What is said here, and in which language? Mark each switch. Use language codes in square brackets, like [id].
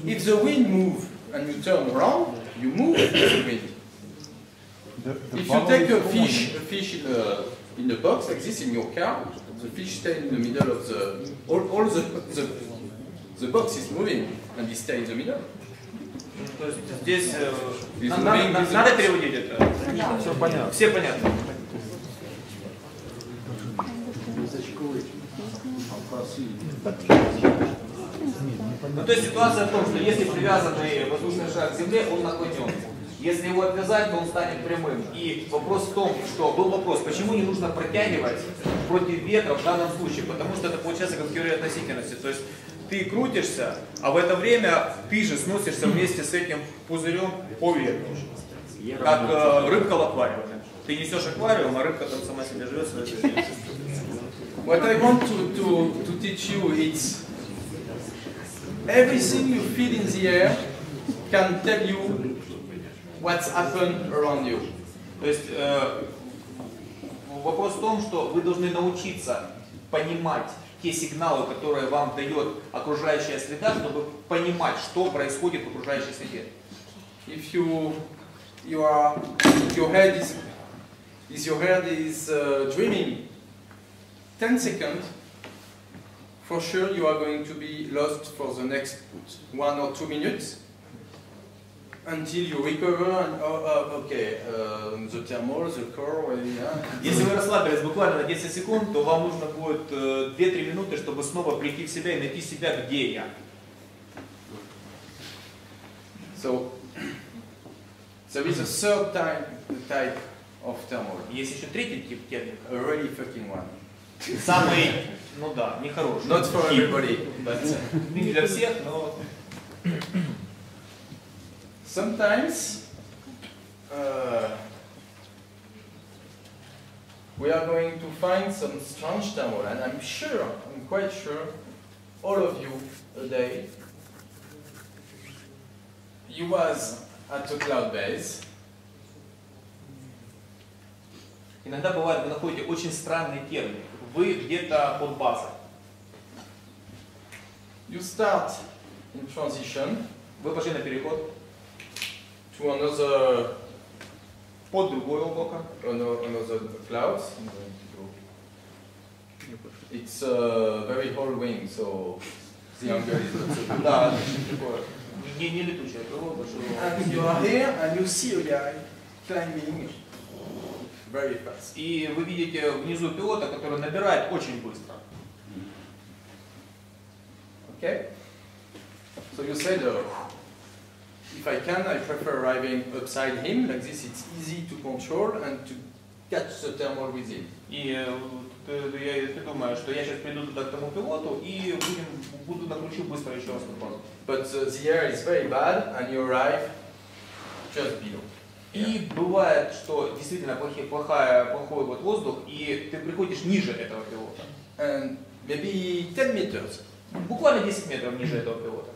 [en] if the wind move and you turn around, you move with the wind. The if you take a fish in a box like this in your car, the fish stays in the middle of the all the box is moving and it stays in the middle. [ru] Здесь надо переводить это. Все понятно. Все понятно. Ну, то есть ситуация в том, что если привязанный воздушный шар к земле, он наклонен. Если его отвязать, то он станет прямым. И вопрос в том, что был вопрос, почему не нужно протягивать против ветра в данном случае? Потому что это получается как теория относительности. То есть ты крутишься, а в это время ты же сносишься вместе с этим пузырем по ветру. Как рыбка в аквариуме. Ты несешь аквариум, а рыбка там сама себе живет. [en] What I want to teach you is everything you feel in the air can tell you what's happened around you. [ru] То есть вопрос в том, что вы должны научиться понимать те сигналы, которые вам дает окружающая среда, чтобы понимать, что происходит в окружающей среде. [en] If you are your head is your head is dreaming, 10 seconds, for sure you are going to be lost for the next 1 or 2 minutes. Until you recover and the thermal, the core, yeah. [ru] Если вы расслабились буквально на 10 секунд, то вам нужно будет 2-3 минуты, чтобы снова прийти в себя и найти себя, где я. [en] So there is a third type of thermal. [ru] Есть еще третий тип термика. [en] A really fucking one. [ru] Самый, ну да, нехороший. [en] Not for everybody. [ru] Не для всех, но. [en] Sometimes we are going to find some strange tamo, and I'm quite sure, all of you today, you was at a cloud base. [ru] Иногда бывает, вы находите очень странный термин. Вы где-то под базой. [en] You start in transition. [ru] Вы пошли на переход. [en] To another [ru] под другое облако. [en] Another clouds. It's a very old wing, so the angle is not so good. [ru] Да, не летучая природа, что. [en] You are here and you see a guy climbing very fast. [ru] И вы видите внизу пилота, который набирает очень быстро. [en] Okay. So you say the. If I can, I prefer arriving upside him, like this it's easy to control and to catch the thermal with him. [ru] И ты думаешь, что я сейчас приду туда к тому пилоту и буду накручу быстро еще раз на базу. [en] But the air is very bad and you arrive just below. [ru] И бывает, что действительно плохой вот воздух, и ты приходишь ниже этого пилота. [en] And maybe 10 meters. [ru] Буквально 10 метров ниже этого пилота.